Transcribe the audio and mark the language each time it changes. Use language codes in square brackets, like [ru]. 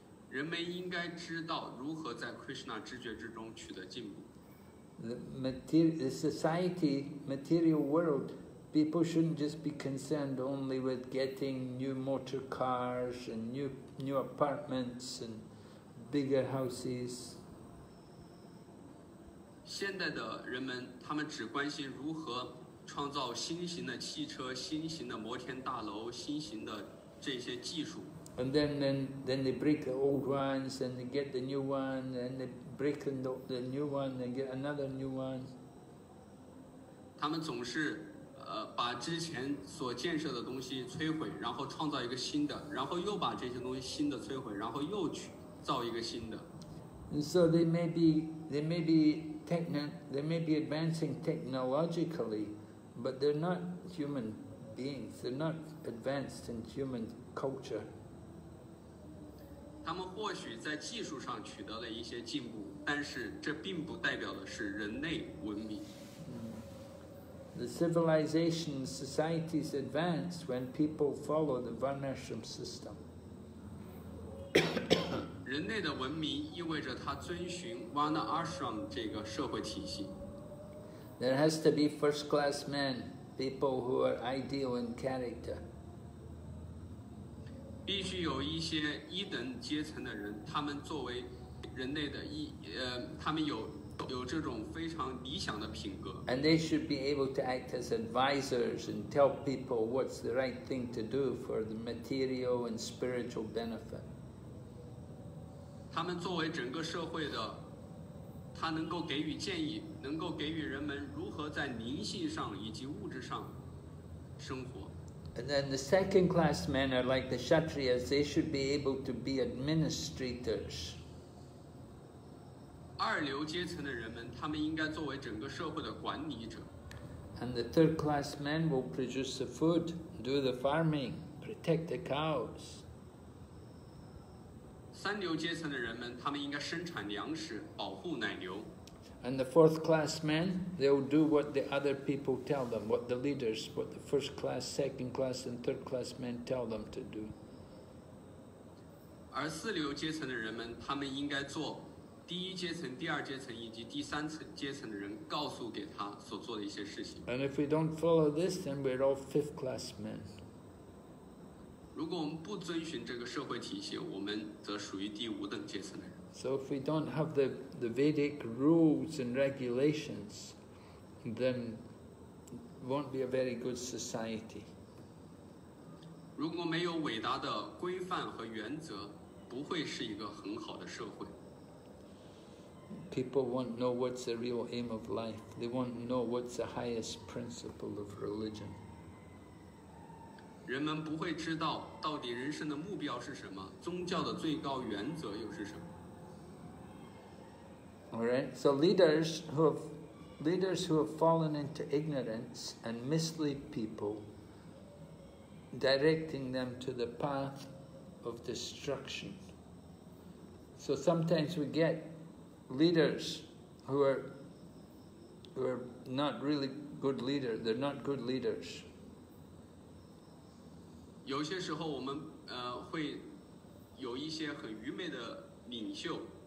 [zh] 人们应该知道如何在 Krishna 知觉之中取得进步。 [en] The society, material world, people shouldn't just be concerned only with getting new motor cars and new apartments and bigger houses. [zh] 现在的人们，他们只关心如何创造新型的汽车、新型的摩天大楼、新型的这些技术。 [en] And then they break the old ones, and they get the new one, and they break the new one, they get another new one. [zh] 他们总是把之前所建设的东西摧毁，然后创造一个新的，然后又把这些东西新的摧毁，然后又去造一个新的。 [en] And so they may be advancing technologically, but they're not human beings. They're not advanced in human culture. [zh] 他们或许在技术上取得了一些进步，但是这并不代表的是人类文明。 [en] the civilization societies advance when people follow the Varnashram system. [zh] 人类的文明意味着他遵循 Varnashram 这个社会体系。 [en] There has to be first class men, people who are ideal in character. [zh] 必须有一些一等阶层的人，他们作为人类的他们有这种非常理想的品格。 [en] And they should be able to act as advisors and tell people what's the right thing to do for the material and spiritual benefit. [zh] 他们作为整个社会的他能够给予建议，能够给予人们如何在灵性上以及物质上生活。 [en] And then the second class men are like the Kshatriyas, they should be able to be administrators. [zh] 二流阶层的人们，他们应该作为整个社会的管理者。 [en] And the third class men will produce the food, do the farming, protect the cows. [zh] 三流阶层的人们，他们应该生产粮食，保护奶牛。 [en] And the fourth class men, they'll do what the other people tell them, what the leaders, what the first class, second class, and third class men tell them to do. [zh] 而四流阶层的人们，他们应该做第一阶层、第二阶层以及第三层阶层的人告诉给他所做的一些事情。 [en] And if we don't follow this, then we're all fifth class men. [zh] 如果我们不遵循这个社会体系，我们则属于第五等阶层的人。 [en] So if we don't have the Vedic rules and regulations, then it won't be a very good society. [zh] 如果没有伟大的规范和原则，不会是一个很好的社会。 [en] People won't know what's the real aim of life. They won't know what's the highest principle of religion. [zh] 人们不会知道到底人生的目标是什么，宗教的最高原则又是什么。 [en] All right. So leaders who have fallen into ignorance and mislead people, directing them to the path of destruction. So sometimes we get leaders who are not really good leaders. They're not good leaders. [zh] 有些时候我们会有一些很愚昧的领袖。